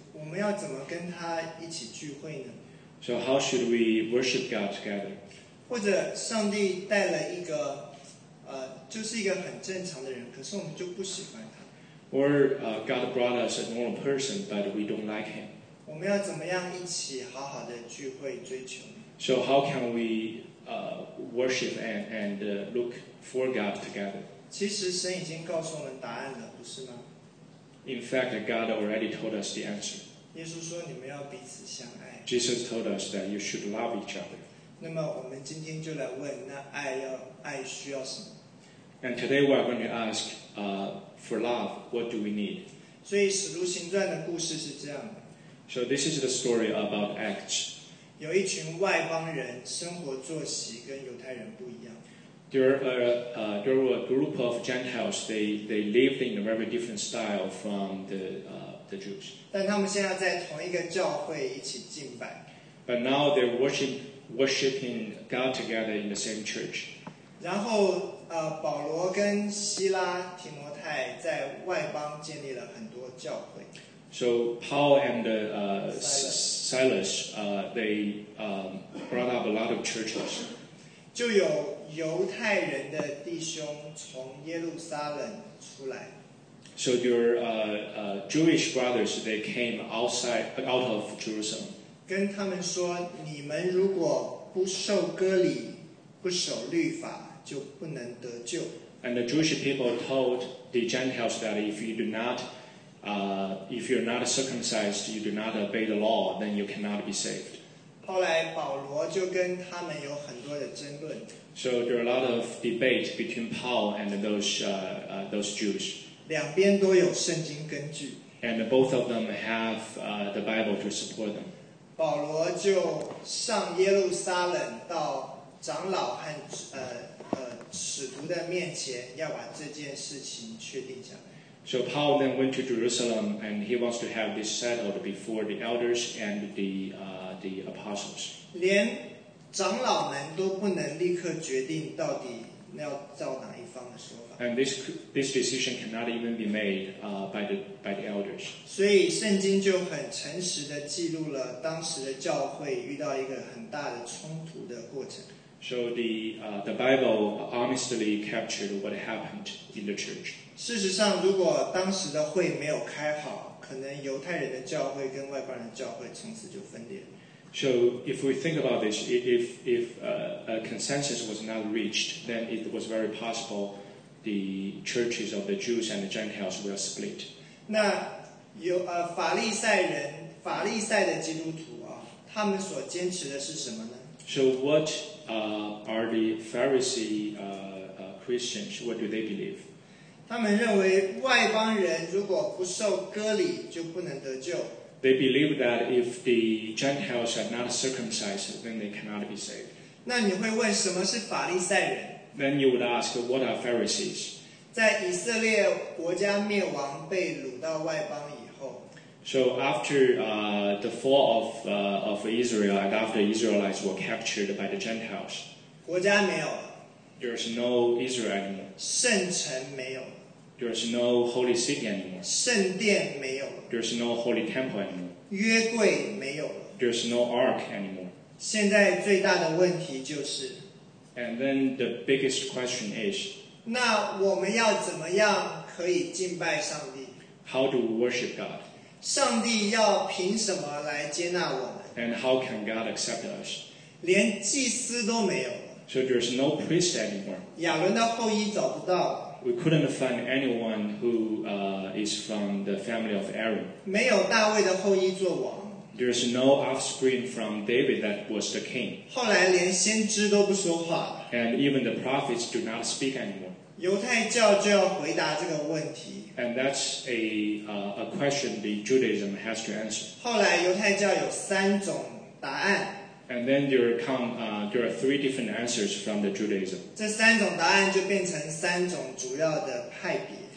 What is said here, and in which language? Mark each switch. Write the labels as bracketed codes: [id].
[zh] 我们要怎么跟他一起聚会呢？ [en] So how should we worship God together? [zh] 或者上帝带了一个就是一个很正常的人，可是我们就不喜欢他。 [en] Or God brought us a normal person, but we don't like him. [zh] 我们要怎么样一起好好的聚会追求呢？ [en] So how can we worship and look for God together? [zh] 其实神已经告诉我们答案了，不是吗？ [en] In fact, God already told us the answer. [zh] 耶稣说你们要彼此相爱。 [en] Jesus told us that you should love each other. [zh] 那么我们今天就来问，那爱要爱需要什么？ [en] And today we are going to ask, for love, what do we need? [zh] 所以使徒行传的故事是这样的。 [en] So this is the story about Acts. [zh] 有一群外邦人，生活作息跟犹太人不一样。 [en] There were a group of Gentiles. They lived in a very different style from the Jews. [zh] 但他们现在在同一个教会一起敬拜。 [en] But now they're worshiping God together in the same church. [zh] 然后保罗跟希拉、提摩太在外邦建立了很多教会。 [en] So Paul and Silas, they brought up a lot of churches. [zh] 就有犹太人的弟兄从耶路撒冷出来。 [en] So your Jewish brothers, they came out of Jerusalem. [zh] 跟他们说，你们如果不受割礼，不守律法，就不能得救。 [en] And the Jewish people told the Gentiles that if you're not circumcised, you do not obey the law, then you cannot be saved. [zh] 后来保罗就跟他们有很多的争论。 [en] So there are a lot of debate between Paul and those Jews. [zh] 两边都有圣经根据。 [en] And both of them have the Bible to support them. [zh] 保罗就上耶路撒冷到长老和使徒的面前，要把这件事情确定下来。 [en] So Paul then went to Jerusalem, and he wants to have this settled before the elders and the apostles. [zh] 连长老们都不能立刻决定到底要照哪一方的说法。 [en] And this decision cannot even be made by the elders. [zh] 所以圣经就很诚实地记录了当时的教会遇到一个很大的冲突的过程。 [en] So the Bible honestly captured what happened in the church. [zh] 事实上，如果当时的会没有开好，可能犹太人的教会跟外邦人的教会从此就分裂。 [en] So if we think about this, if a consensus was not reached, then it was very possible the churches of the Jews and the Gentiles will split. [zh] 那有法利赛人，法利赛的基督徒啊，他们所坚持的是什么呢？ [en] So what are the Pharisee Christians? What do they believe? [zh] 他们认为外邦人如果不受割礼就不能得救。 [en] They believe that if the Gentiles are not circumcised, then they cannot be saved. [zh] 那你会问什么是法利赛人？ [en] Then you would ask, what are Pharisees? [zh] 在以色列国家灭亡被掳到外邦以后。 [en] So after the fall of Israel and after Israelites were captured by the Gentiles, [zh] 国家没有了。 [en] There is no Israel anymore. [zh] 圣城没有了。 [en] There is no holy city anymore. [zh] 圣殿没有了。 [en] There is no holy temple anymore. [zh] 约柜没有了。 [en] There is no ark anymore. [zh] 现在最大的问题就是。 [en] And then the biggest question is. [zh] 那我们要怎么样可以敬拜上帝？ [en] How do we worship God? [zh] 上帝要凭什么来接纳我们？ [en] And how can God accept us? [zh] 连祭司都没有了。 [en] So there is no priest anymore. [zh] 亚伦的后裔找不到。 [en] We couldn't find anyone who is from the family of Aaron. [zh] 没有大卫的后裔做王。 [en] There is no offspring from David that was the king. [zh] 后来连先知都不说话。 [en] And even the prophets do not speak anymore. [zh] 犹太教就要回答这个问题。 [en] And that's a question the Judaism has to answer. [zh] 后来犹太教有三种答案。 [en] And then there are three different answers from the Judaism. [zh] 这三种答案就变成三种主要的派别。